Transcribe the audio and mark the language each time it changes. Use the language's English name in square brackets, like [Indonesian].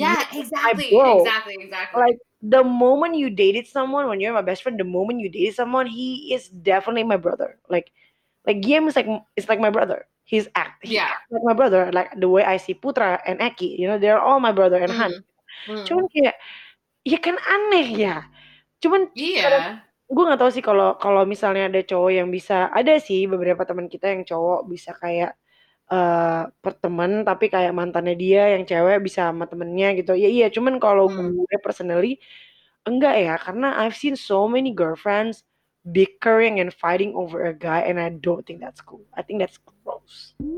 [English] Like, the moment you dated someone, when you're my best friend, the moment you dated someone, he is definitely my brother. Like Guillaume is like, it's like my brother. He's like my brother. Like the way I see Putra and Eki, you know, they're all my brother and Han. [Indonesian] Cuman kayak ya kan aneh ya. Cuman iya. Gue nggak tahu sih kalau kalau misalnya ada cowok yang bisa, ada sih beberapa teman kita yang cowok bisa kayak perteman, tapi kayak mantannya dia yang cewek bisa sama temennya gitu. Ya iya, cuman kalau gue personally enggak ya, karena [English] I've seen so many girlfriends bickering and fighting over a guy, and I don't think that's cool. I think that's gross.